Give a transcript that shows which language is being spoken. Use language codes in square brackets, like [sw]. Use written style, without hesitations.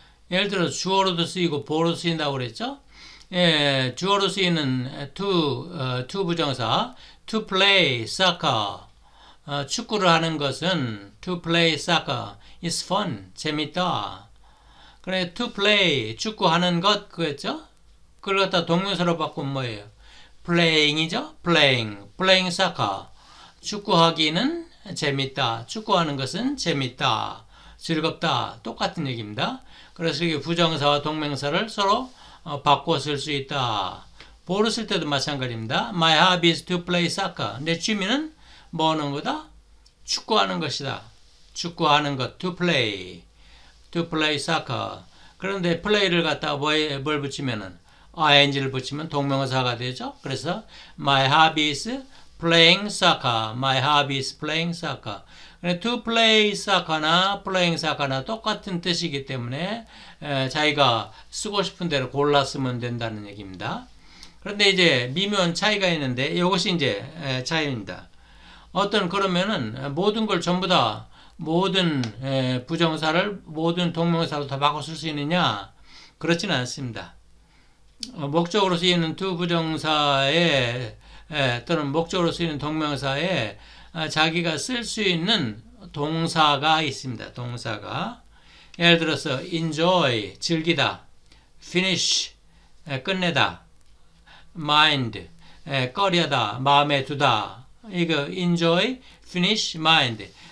[ko] 예를 들어 주어로도 쓰이고 보어로 쓰인다고 그랬죠? 예, 주어로 쓰이는 to 부정사 [en] to play soccer [ko] 축구를 하는 것은 [en] to play soccer is fun [ko] 재밌다. 그래 to play 축구하는 것 그랬죠? 그걸 갖다 동명사로 바꾼 뭐예요? playing이죠? [en] playing soccer [ko] 축구하기는 재밌다. 축구하는 것은 재밌다. 즐겁다. 똑같은 얘기입니다. 그래서 이게 부정사와 동명사를 서로 바꿔 쓸 수 있다. 보로 쓸 때도 마찬가지입니다. [en] My hobby is to play soccer. [ko] 내 취미는 뭐 하는 거다? 축구하는 것이다. 축구하는 것. [en] To play soccer. [ko] 그런데 play를 갖다가 뭘 붙이면은 ing를 붙이면 동명사가 되죠. 그래서 [en] My hobby is playing soccer. My hobby is playing soccer. [ko] To play soccer나 playing soccer나 똑같은 뜻이기 때문에 자기가 쓰고 싶은 대로 골라 쓰면 된다는 얘기입니다. 그런데 이제 미묘한 차이가 있는데 이것이 이제 차이입니다. 어떤 그러면은 모든 걸 전부 다 모든 부정사를 모든 동명사로 다 바꿔 쓸 수 있느냐? 그렇지는 않습니다. 목적으로 쓰이는 두 부정사에 또는 목적으로 쓰이는 동명사에 자기가 쓸 수 있는 동사가 있습니다. 동사가. 예를 들어서 enjoy, 즐기다. finish, 끝내다. mind, 꺼려다, 마음에 두다. 이거 enjoy, finish, mind.